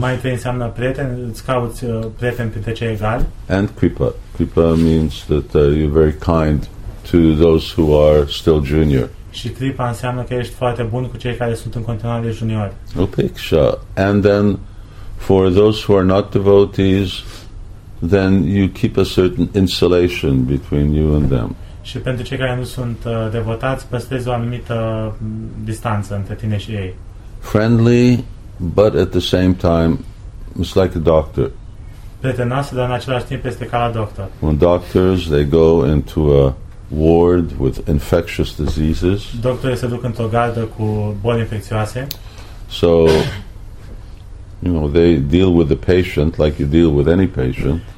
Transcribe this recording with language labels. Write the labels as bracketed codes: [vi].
[ro] Maitri înseamnă prieten, îți cauți prieteni printre cei egali. [en] And kripa. Kripa means that you're very kind to those who are still junior. [ro] Și kripa înseamnă că ești foarte bun cu cei care sunt în continuare juniori. [sa] Upeksha. [en] And then for those who are not devotees, then you keep a certain insulation between you and them. [ro] Și pentru cei care nu sunt devotați, păstrezi o anumită distanță între tine și ei. [en] Friendly, but at the same time, it's like a doctor. [ro] Prietenoasă, dar în același timp este ca la doctor. [en] When doctors, they go into a ward with infectious diseases. [ro] Doctorii se duc într-o gardă cu boli infecțioase. [en] So, you know, they deal with the patient like you deal with any patient.